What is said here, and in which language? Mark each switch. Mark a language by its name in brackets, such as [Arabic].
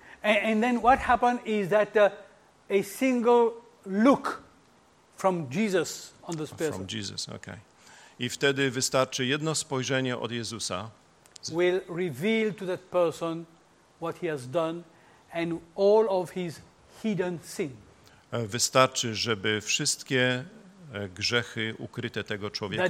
[English] And then what happened is that a single look from Jesus on this person. From Jesus, okay. [Polish] I wtedy wystarczy jedno spojrzenie od Jezusa. [English] Will reveal to that person what he has done and all of his hidden sin. [Polish] Wystarczy, żeby wszystkie grzechy ukryte tego człowieka